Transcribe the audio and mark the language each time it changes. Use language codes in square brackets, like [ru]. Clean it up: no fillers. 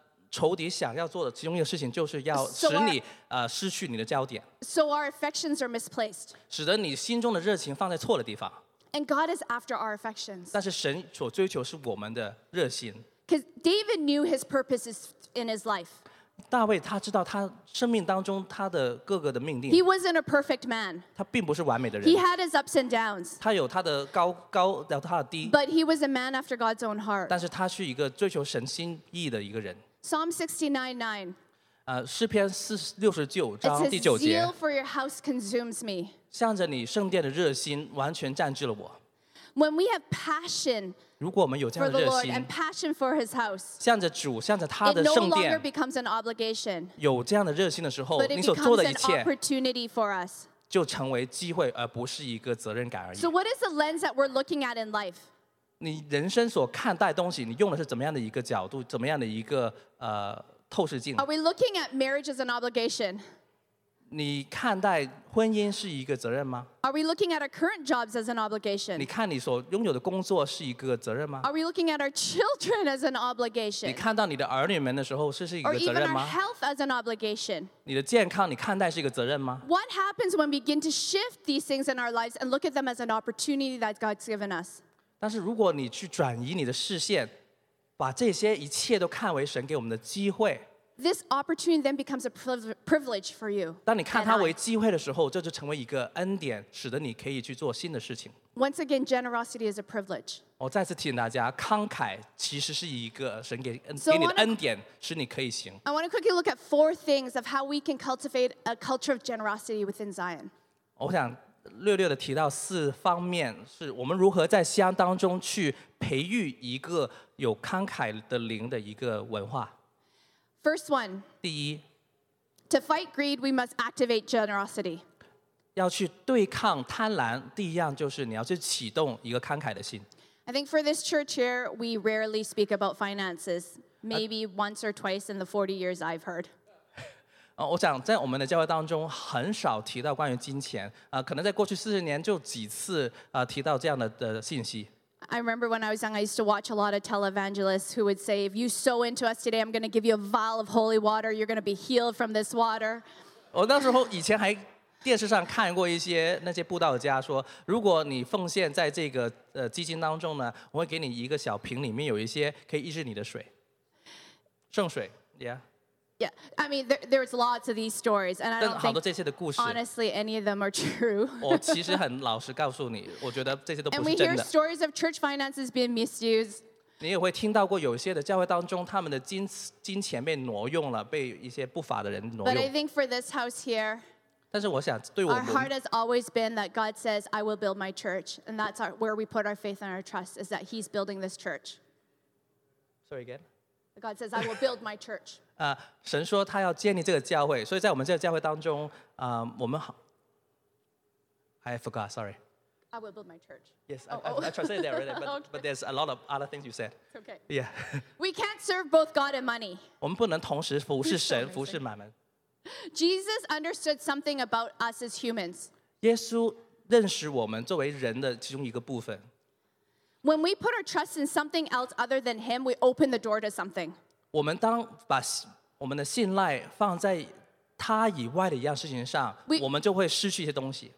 [zh] 仇敌想要做的其中一个事情就是要使你失去你的焦点。 [en] So our affections are misplaced. [zh] 使得你心中的热情放在错的地方。 [en] And God is after our affections. [zh] 但是神所追求是我们的热心。 [en] Because David knew his purpose is in his life. [zh] 大卫他知道他生命当中他的各个的命定。 [en] He wasn't a perfect man. [zh] 他并不是完美的人。 [en] He had his ups and downs. [zh] 他有他的高高的他的低。 [en] But he was a man after God's own heart. [zh] 但是他是一个追求神心意的一个人。 [en] Psalm 69:9. [zh] 诗篇四六十九章第九节。 [en] It says, "Zeal for your house consumes me." [zh] 向着你圣殿的热心完全占据了我。 [en] When we have passion. [zh] 如果我们有这样的热心。 [en] For the Lord and passion for His house. [zh] 向着主，向着他的圣殿。 [en] It no longer becomes an obligation. [zh] 有这样的热心的时候，你所做的一切。 [en] But it becomes an opportunity for us. [zh] 就成为机会，而不是一个责任感而已。 [en] So what is the lens that we're looking at in life? [zh] 你人生所看待东西，你用的是怎么样的一个角度，怎么样的一个透视镜？ [en] Are we looking at marriage as an obligation? [zh] 你看待婚姻是一个责任吗？ [en] Are we looking at our current jobs as an obligation? [zh] 你看你所拥有的工作是一个责任吗？ [en] Are we looking at our children as an obligation? [zh] 你看到你的儿女们的时候，是一个责任吗？ [en] Or even our health as an obligation? [zh] 你的健康，你看待是一个责任吗？ [en] What happens when we begin to shift these things in our lives and look at them as an opportunity that God's given us? [zh] 但是如果你去转移你的视线，把这些一切都看为神给我们的机会。 [en] This opportunity then becomes a privilege for you. [zh] 当你看它为机会的时候，这就成为一个恩典，使得你可以去做新的事情。 [en] Once again, generosity is a privilege. [zh] 我再次提醒大家，慷慨其实是一个神给你的恩典，使你可以行。 [en] I want to quickly look at four things of how we can cultivate a culture of generosity within Zion. [zh] 我想略略的提到四方面，是我们如何在西安当中去培育一个有慷慨的灵的一个文化。 [en] First one， [zh] 第一 [en] ，To fight greed, we must activate generosity. [zh] 要去对抗贪婪，第一样就是你要去启动一个慷慨的心。 [en] I think for this church here, we rarely speak about finances, maybe once or twice in the 40 years I've heard. [zh] 我想在我们的教会当中很少提到关于金钱，可能在过去四十年就几次提到这样的信息。 [en] I remember when I was young, I used to watch a lot of televangelists who would say, "If you sow into us today, I'm going to give you a vial of holy water. You're going to be healed from this water." [zh] 我那时候以前还电视上看过一些那些布道家说，如果你奉献在这个基金当中呢，我会给你一个小瓶，里面有一些可以医治你的水，圣水 ，Yeah. [en] Yeah, I mean, there was lots of these stories, and I don't think honestly any of them are true. [zh] 我其实很老实告诉你，我觉得这些都不是真的。 [en] And we hear stories of church finances being misused. [zh] 你也会听到过有些的教会当中，他们的金钱被挪用了，被一些不法的人挪用。 [en] But I think for this house here, [zh] 但是我想对我们 [en] our heart has always been that God says, "I will build my church," and that's where we put our faith and our trust is that He's building this church. Sorry again. God says, "I will build my church." [zh] 神说他要建立这个教会，所以在我们这个教会当中，我们好。 [en] I forgot, sorry. I will build my church. Yes, I translated that already, but, okay. But there's a lot of other things you said. It's okay. Yeah. We can't serve both God and money. [zh] 我们不能同时服侍神，服侍马门。 [en] Jesus understood something about us as humans. [zh] 耶稣认识我们作为人的其中一个部分。 [en] When we put our trust in something else other than Him, we open the door to something. [zh] 我们当把我们的信赖放在他以外的一样事情上，我们就会失去一些东西。